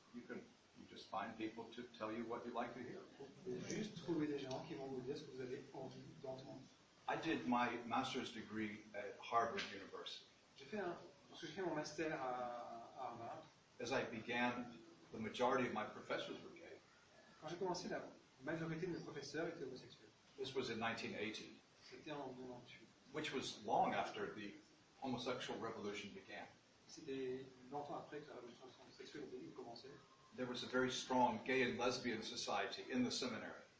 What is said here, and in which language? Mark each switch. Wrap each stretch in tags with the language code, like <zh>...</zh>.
<en>You just find people to tell you what you'd like to hear.</en> <fr>Juste trouver des gens qui vont vous dire ce que vous avez envie d'entendre.</fr> <en>I did my master's degree at Harvard University.</en> <fr>J'ai fait mon master à Harvard.</fr> <en>As I began, the majority of my professors were gay.</en> <fr>Quand j'ai commencé, la majorité de mes professeurs étaient homosexuels.</fr> <en>This was in 1980.</en> <fr>C'était en 1980.</fr> <en>Which was long after the homosexual revolution began.</en> <fr>C'était longtemps après que la révolution sexuelle a commencé.</fr> <en>There was a very strong gay and lesbian society in the seminary.</en>